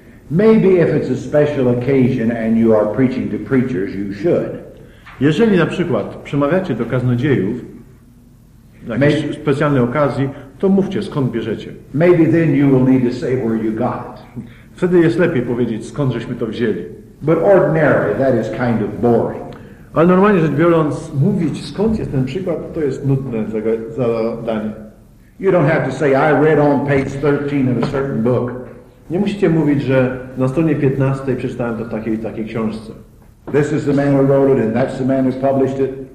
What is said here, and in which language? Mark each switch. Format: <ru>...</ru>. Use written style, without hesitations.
<en>Maybe if it's a special occasion and you are preaching to preachers, you should.</en> <pl>Jeżeli na przykład przemawiacie do kaznodziejów na jakiejś specjalnej okazji, to mówcie, skąd bierzecie.</pl> <en>Maybe then you will need to say where you got it.</en> <pl>Wtedy jest lepiej powiedzieć, skąd żeśmy to wzięli.</pl> <en>But ordinarily, that is kind of boring.</en> <pl>Ale normalnie rzecz biorąc, mówić, skąd jest ten przykład, to jest nudne zadanie.</pl> <en>You don't have to say, I read on page 13 of a certain book.</en> <pl>Nie musicie mówić, że na stronie 15 przeczytałem to w takiej książce.</pl> <en>This is the man who wrote it and that's the man who published it.</en>